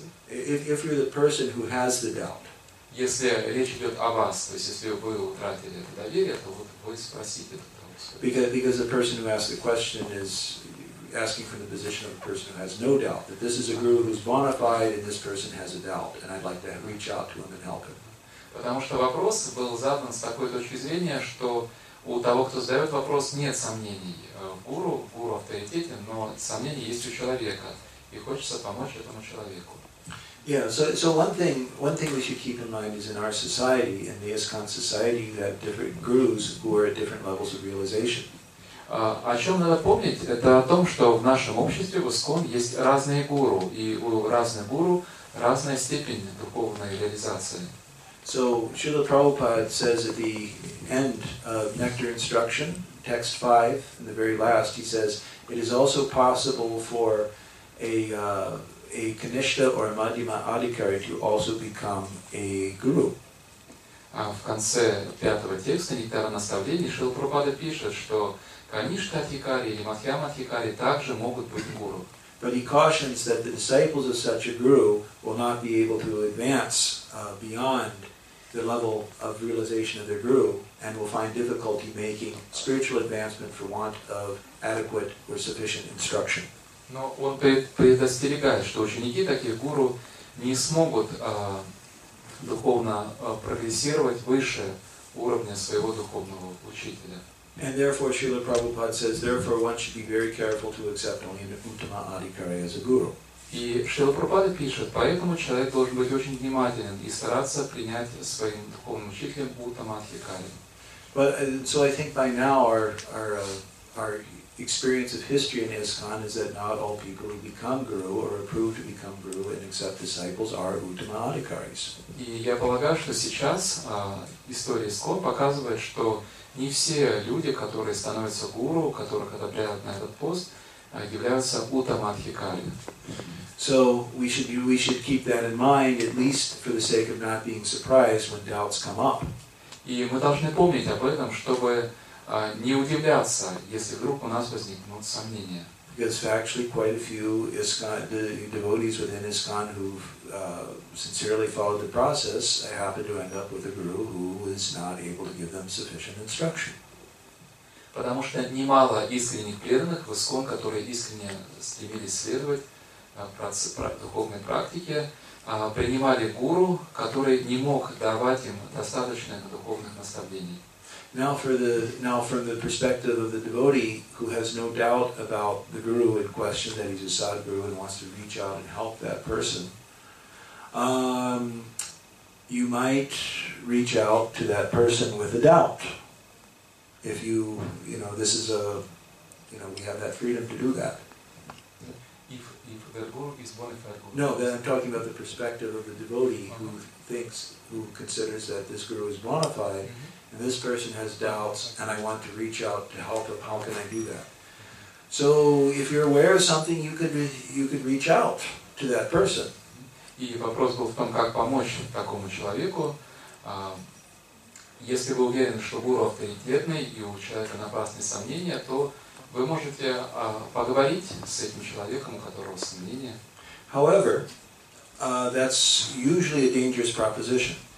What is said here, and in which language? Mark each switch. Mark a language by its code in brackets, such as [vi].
[en] If you're the person who has the doubt. [ru] Если речь идет о вас, то есть если вы утратили это доверие, то вот вы спросите этот вопрос. [en] Because the person who asks the question is asking from the position of a person who has no doubt, that this is a guru who's bona fide and this person has a doubt, and I'd like to reach out to him and help him. [ru] Потому что вопрос был задан с такой точки зрения, что у того, кто задает вопрос, нет сомнений в гуру, авторитете, но сомнения есть у человека, и хочется помочь этому человеку. [en] Yeah, so one thing we should keep in mind is in our society, in the ISKCON society, you have different gurus who are at different levels of realization. [ru] О чем надо помнить, это о том, что в нашем обществе, в ISKCON, есть разные гуру, и у разных гуру разная степень духовной реализации. [en] So Srila Prabhupada says at the end of Nectar Instruction, text 5, in the very last, he says, it is also possible for a Kanishtha or a Madhyama Adhikari to also become a guru. [ru] В конце пятого текста Нектара Наставления Шрила Прабхупада пишет, что Каништа Адхикари или Мадхьяма Адхикари также могут быть гуру. [en] But he cautions that the disciples of such a guru will not be able to advance beyond the level of realization of their guru, and will find difficulty making spiritual advancement for want of adequate or sufficient instruction. [ru] Но он предостерегает, что ученики таких гуру не смогут духовно прогрессировать выше уровня своего духовного учителя. [en] And therefore, Srila Prabhupada says, therefore, one should be very careful to accept only an Uttama Adhikari as a guru. [ru] И Шрила Прабхупада пишет, поэтому человек должен быть очень внимателен и стараться принять своим духовным учителем Уттама Адхикари. [en] But so I think by now our experience of history in ISKCON is that not all people who become guru or approved to become guru and accept disciples are Uttama Adhikaris. [ru] И я полагаю, что сейчас история ISKCON показывает, что не все люди, которые становятся гуру, которых одобряют на этот пост, являются Уттама Адхикари. [en] So we should keep that in mind, at least for the sake of not being surprised when doubts come up. [ru] И мы должны помнить об этом, чтобы не удивляться, если вдруг у нас возникнут сомнения. [en] Because factually, quite a few devotees within ISKCON who sincerely followed the process happen to end up with a guru who is not able to give them sufficient instruction. [ru] Потому что немало искренних преданных в ISKCON, которые искренне стремились следовать духовной практике, принимали гуру, который не мог давать им достаточных духовных наставлений. [en] Now from the perspective of the devotee who has no doubt about the guru in question, that he's a sadguru and wants to reach out and help that person, you might reach out to that person with a doubt. If you, you know, this is a, you know, we have that freedom to do that. If the guru is bona fide guru. No, then I'm talking about the perspective of the devotee who thinks, who considers that this guru is bona fide, and this person has doubts, and I want to reach out to help him. How can I do that? So, if you're aware of something, you could reach out to that person. [ru] И вопрос был в том, как помочь такому человеку. Если вы уверены, что гуру авторитетный и у человека напрасные сомнения, то вы можете поговорить с этим человеком, у которого сомнения. [en] However, that's usually a dangerous proposition.